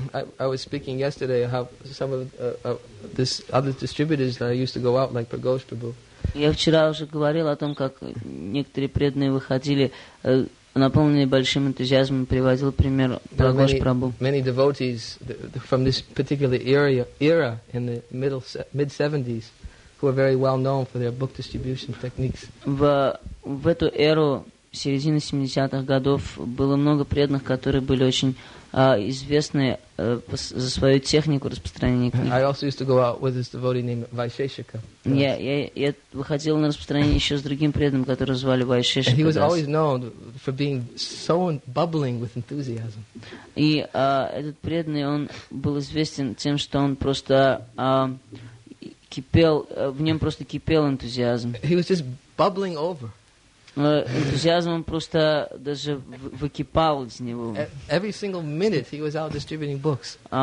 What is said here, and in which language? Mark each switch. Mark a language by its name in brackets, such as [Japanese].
[English] I was speaking yesterday how some of this other distributors that I used to go out like Pragosh Prabhu. [Russian] Я вчера уже говорил о том, как некоторые преданные выходили, наполненные большим энтузиазмом, приводил пример Прагош Прабу. [English] Many devotees from this particular era in the mid-70s who are very well known for their book distribution techniques. [Russian] В эту эру середины 70-х годов было много преданных, которые были очень известны за свою технику распространения книг. [English] I also used to go out with this devotee named Vaisheshika. [Russian] Я выходил на распространение еще с другим преданным, которого звали Vaisheshika. [English] He was always known for being so bubbling with enthusiasm. [Russian] И этот преданный, он был известен тем, что он просто кипел, в нем просто кипел энтузиазм. [English] He was just bubbling over. [Russian] Энтузиазм просто даже выкипал из него. [English] Every single minute he was out distributing books.